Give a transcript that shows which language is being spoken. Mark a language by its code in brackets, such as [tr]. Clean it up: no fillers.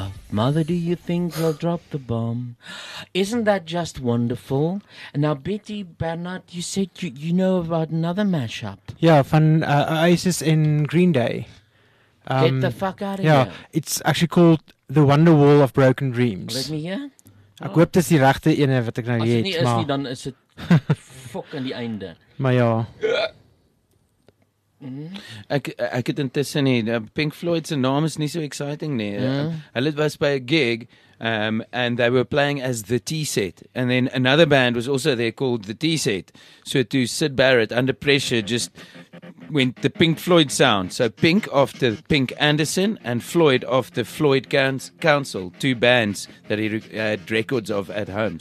[en] Mother, do you think they'll drop the bomb? Isn't that just wonderful? Now, Betty Bernard, you said you know about another mashup. Yeah, from Oasis in Green Day. Get the fuck out of here. Yeah, it's actually called The Wonderwall of Broken Dreams. Let me hear. [af] Ek hoop dis die regte ene wat ek nou hier het, maar... As dit nie is nie, dan is dit fok aan die einde. Maar ja. Ek het intussen nie, Pink Floyd se naam is nie so exciting nie. Hulle was by [en] a gig, and they were playing as the T-Set. And then another band was also there called the T-Set. So to Syd Barrett, under pressure, just went the Pink Floyd sound. So Pink after Pink Anderson and Floyd after Floyd Council, two bands that he had records of at home.